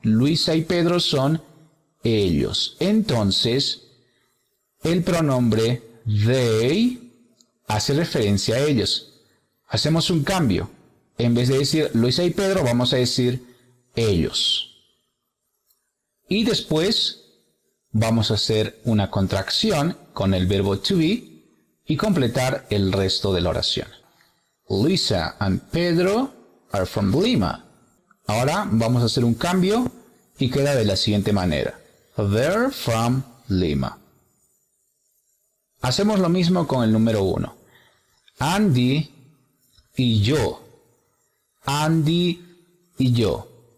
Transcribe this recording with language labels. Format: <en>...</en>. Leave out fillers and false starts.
<es>Luisa y Pedro son ellos. Entonces, el pronombre they hace referencia a ellos. Hacemos un cambio. En vez de decir Luisa y Pedro, vamos a decir ellos. Y después vamos a hacer una contracción con el verbo to be y completar el resto de la oración.</es> <en>Luisa and Pedro are from Lima.</en> <es>Ahora vamos a hacer un cambio y queda de la siguiente manera.</es> <en>They're from Lima.</en> <es>Hacemos lo mismo con el número 1. Andy y yo. Andy y yo.</es>